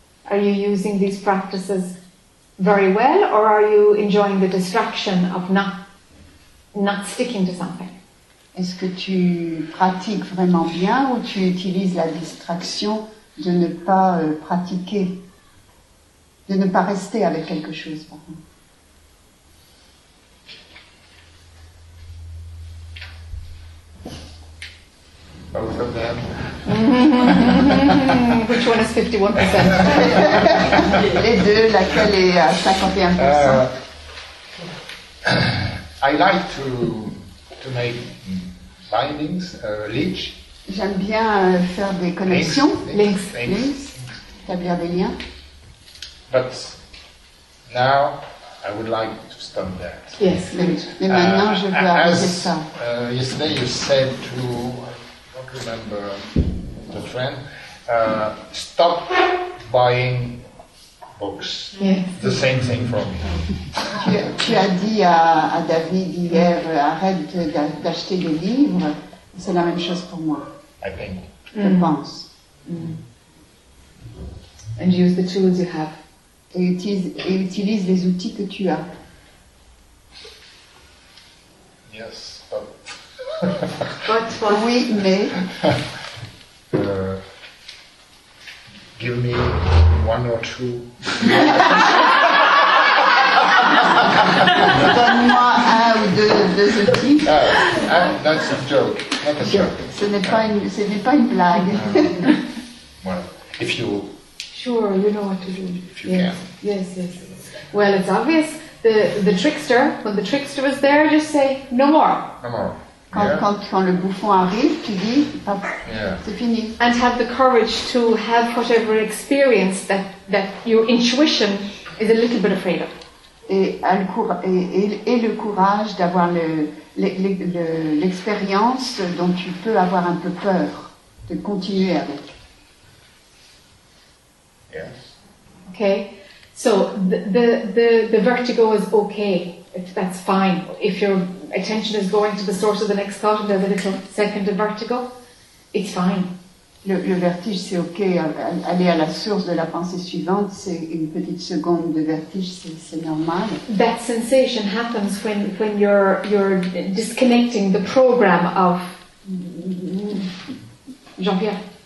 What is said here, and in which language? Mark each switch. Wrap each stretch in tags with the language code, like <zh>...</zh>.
<en>Are you using these practices very well, or are you enjoying the distraction of not sticking to something?</en> <fr>Est-ce que tu pratiques vraiment bien ou tu utilises la distraction? De ne pas pratiquer, de ne pas rester avec quelque chose.</fr> <en>Both of them. Which one is 51%?</en> <fr>Les deux, laquelle est à 51%?</fr> <en>I like to make bindings, leech.</en> <fr>J'aime bien faire des connexions,</fr> <en>links,</en> <fr>établir des liens.</fr> <en>But now I would like to stop that. Yes,</en> <fr>mais maintenant je veux arrêter ça.</fr> <en>Yesterday you said to, I don't remember the friend, stop buying books. Yes. The same thing for me.</en> <fr>Tu as dit à David hier, arrête d'acheter des livres. C'est la même chose pour moi.</fr> <en>I think.</en> <fr>Je pense.</fr> <en>And use the tools you have.</en> <fr>Et utilise les outils que tu as.</fr> <en>Yes, but. But what?</en> <fr>Oui, mais.</fr> <en>Give me one or two.</en> <fr>Donne-moi un ou deux outils.</fr> <en>That's a joke.</en> <fr>Ce n'est pas une blague.</fr> <en>Well, if you. Sure, you know what to do. If you can. Yes. Well, it's obvious. The trickster, when the trickster is there, just say no more. No more.</en> <fr>Quand le bouffon arrive, tu dis, c'est fini.</fr> <en>And have the courage to have whatever experience that your intuition is a little bit afraid of.</en> <fr>Et le courage d'avoir l'expérience dont tu peux avoir un peu peur de continuer avec.</fr> <en>Yes. Okay. So the vertigo is okay. That's fine. If your attention is going to the source of the next thought and there's a little second of vertigo, it's fine.</en> <fr>Le vertige, c'est ok. Aller à la source de la pensée suivante, c'est une petite seconde de vertige, c'est normal.</fr> <en>That sensation happens when you're disconnecting the program of Jean-Pierre,</en>